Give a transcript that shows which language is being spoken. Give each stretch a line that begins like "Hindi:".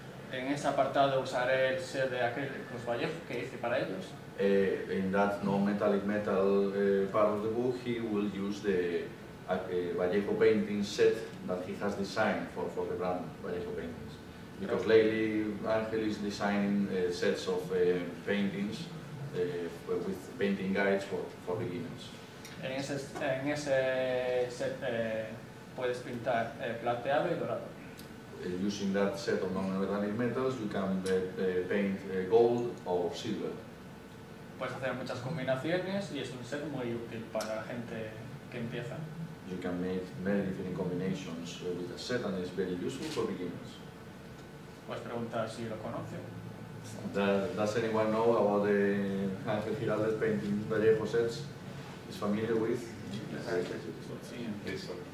Spanish: En ese apartado usaré el set de acrílicos Vallejo que hice para ellos.
English: In that non metallic metal part of the book, he will use the Vallejo painting set that he has designed for the brand Vallejo paintings. Because lately, Angel is designing sets of paintings with painting guides for beginners.
Spanish: En ese set puedes pintar plateado y dorado.
English: Using that set of non-metallic metals, you can paint gold or silver.
Spanish: Puedes hacer muchas combinaciones y es un set muy útil para la gente que empieza.
English: You can make many different combinations with the set and it's very useful for beginners.
Spanish: Puedes preguntar si lo conoce.
English: Does anyone know about the Angel Giraldez painting Vallejo sets? Is familiar with? Yes.